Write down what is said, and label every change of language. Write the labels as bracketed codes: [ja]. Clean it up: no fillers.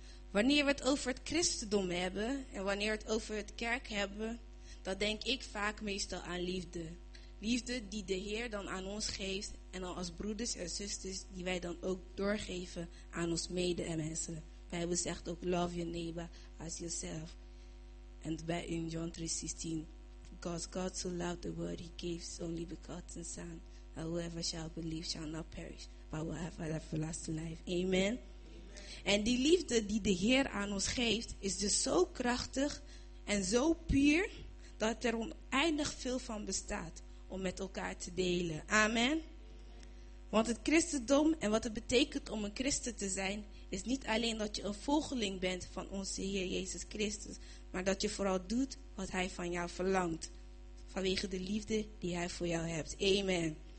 [nl] Wanneer we het over het christendom hebben en wanneer we het over het kerk hebben, dan denk ik vaak meestal aan liefde. Liefde die de Heer dan aan ons geeft en dan als broeders en zusters die wij dan ook doorgeven aan ons mede en mensen. De Bijbel zegt ook [en] love your neighbor as yourself. [nl] En in [en] John 3:16, because God so loved the world he gave his only begotten son, that whoever shall believe shall not perish, but will have everlasting life. [nl] Amen. En die liefde die de Heer aan ons geeft is dus zo krachtig en zo puur dat er oneindig veel van bestaat om met elkaar te delen. Amen. Want het christendom en wat het betekent om een christen te zijn is niet alleen dat je een volgeling bent van onze Heer Jezus Christus, maar dat je vooral doet wat hij van jou verlangt vanwege de liefde die hij voor jou hebt. Amen.